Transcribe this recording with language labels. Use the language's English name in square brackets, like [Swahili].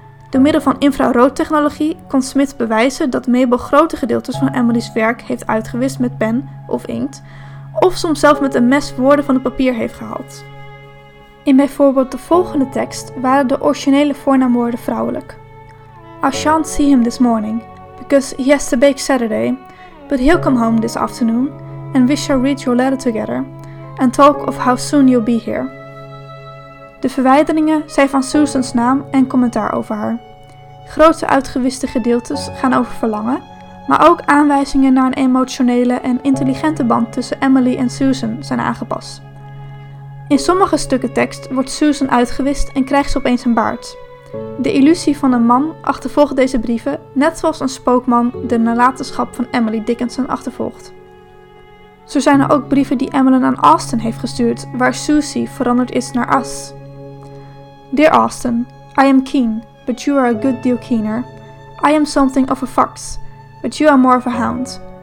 [Dutch] Door middel van infraroodtechnologie kon Smith bewijzen dat Mabel grote gedeeltes van Emily's werk heeft uitgewist met pen of inkt, of soms zelf met een mes woorden van het papier heeft gehaald. In bijvoorbeeld de volgende tekst waren de originele voornaamwoorden vrouwelijk. [English] I shan't see him this morning, because he has to bake Saturday, but he'll come home this afternoon, and we shall read your letter together, and talk of how soon you'll be here. [Dutch] De verwijderingen zijn van Susan's naam en commentaar over haar. Grote uitgewiste gedeeltes gaan over verlangen, maar ook aanwijzingen naar een emotionele en intelligente band tussen Emily en Susan zijn aangepast. In sommige stukken tekst wordt Susan uitgewist en krijgt ze opeens een baard. De illusie van een man achtervolgt deze brieven, net zoals een spookman de nalatenschap van Emily Dickinson achtervolgt. Zo zijn er ook brieven die Emily aan Austin heeft gestuurd, waar Susie veranderd is naar us. [English] Dear Austin, I am keen, but you are a good deal keener. I am something of a fox, but you are more of a hound.